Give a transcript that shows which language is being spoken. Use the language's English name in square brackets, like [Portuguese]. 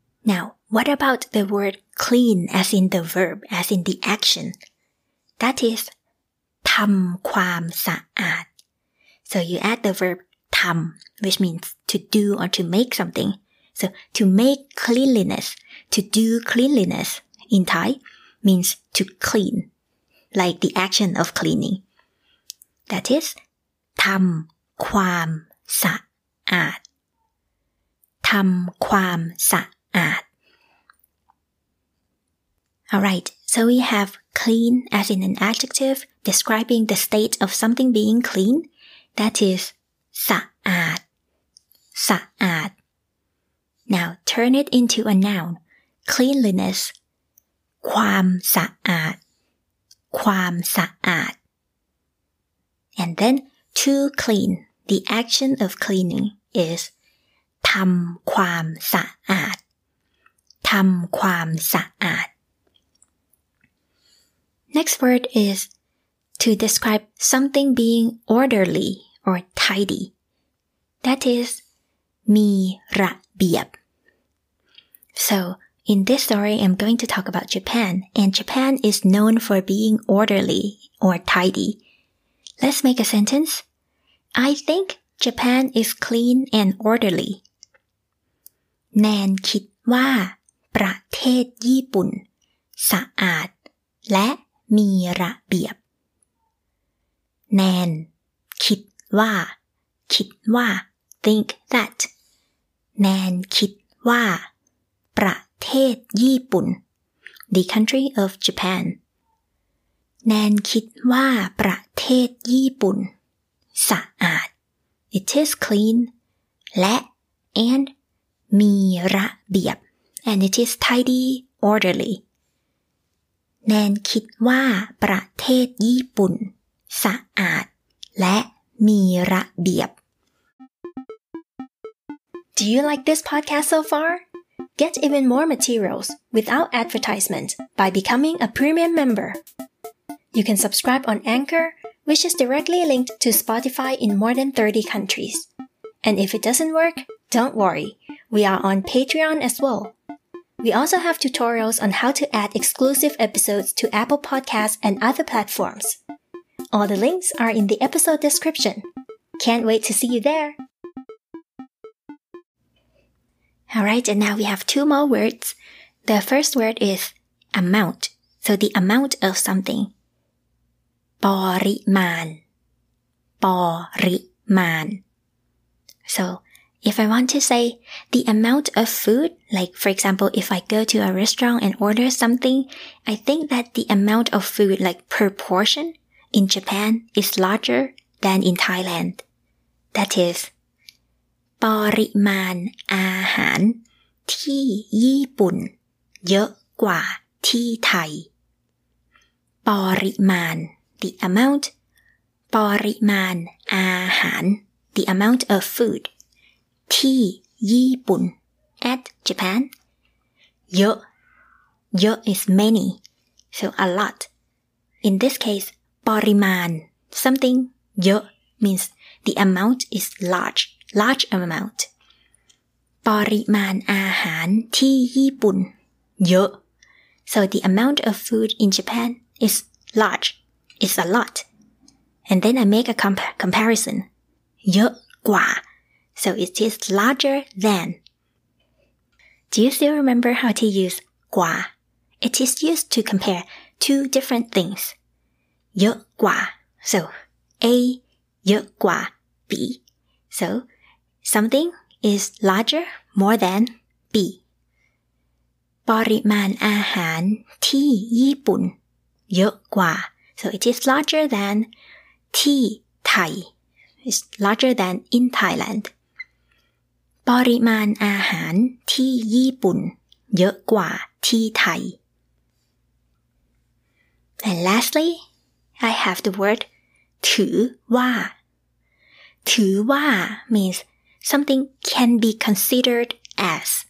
[English] now what about the word clean as in the verb as in the action that is [Thai] ทำความสะอาด [English] so you add the verb ทำ which means to do or to make somethingSo to make cleanliness, to do cleanliness in Thai means to clean, like the action of cleaning. That is, [Thai] ทำความสะอาด. ทำความสะอาด. [English] All right, so we have clean as in an adjective describing the state of something being clean. That is, [Thai] สะอาด. สะอาด [English] Now, turn it into a noun. Cleanliness. [Thai] ความสะอาด. ความสะอาด. [English] And then, to clean. The action of cleaning is ทำความสะอาด. [Thai] ทำความสะอาด. [English] Next word is to describe something being orderly or tidy. That is, [Thai] มีระเบียบ [English] So, in this story, I'm going to talk about Japan, and Japan is known for being orderly or tidy. Let's make a sentence. I think Japan is clean and orderly. [Thai] แนนคิดว่าประเทศญี่ปุ่นสะอาดและมีระเบียบ. แนนคิดว่า [English] think that. [Thai] แนนคิดว่าประเทศญี่ปุ่น [English] the country of Japan [Thai] แนนคิดว่าประเทศญี่ปุ่นสะอาด [English] it is clean [Thai] และ [English] and [Thai] มีระเบียบ [English] and it is tidy orderly [Thai] แนนคิดว่าประเทศญี่ปุ่นสะอาดและมีระเบียบ [English] Do you like this podcast so far? Get even more materials without advertisement by becoming a premium member. You can subscribe on Anchor, which is directly linked to Spotify in more than 30 countries. And if it doesn't work, don't worry. We are on Patreon as well. We also have tutorials on how to add exclusive episodes to Apple Podcasts and other platforms. All the links are in the episode description. Can't wait to see you there! Alright, and now we have two more words. The first word is amount. So the amount of something. [Thai] ปริมาณ ปริมาณ [English] So if I want to say the amount of food, like for example, if I go to a restaurant and order something, I think that the amount of food, like per portion in Japan is larger than in Thailand. That is, [Thai] ปริมาณอาหารที่ญี่ปุ่นเยอะกว่าที่ไทย ปริมาณ [English] the amount [Thai] ปริมาณอาหาร [English] the amount of food [Thai] ที่ญี่ปุ่น [English] at Japan [Thai] เยอะเยอะ [English] is many so a lot in this case [Thai] ปริมาณ [English] something [Thai] เยอะ [English] means the amount is largeLarge amount. [Thai] ปริมาณอาหารที่ญี่ปุ่นเยอะ [English] So the amount of food in Japan is large. It's a lot. And then I make a comparison. [Thai] เยอะกว่า [English] So it is larger than. Do you still remember how to use [Thai] กว่า [English] It is used to compare two different things. [Thai] เยอะกว่า [English] So, A, เยอะกว่า B. So, something is larger, more than B. [Thai] ปริมาณอาหารที่ญี่ปุ่นเยอะกว่า [English] So, it is larger than [Thai] ที่ไทย [English] It's larger than in Thailand. [Thai] ปริมาณอาหารที่ญี่ปุ่นเยอะกว่าที่ไทย [English] And lastly, I have the word [Thai] ถือว่าถือว่า [English] means something can be considered as.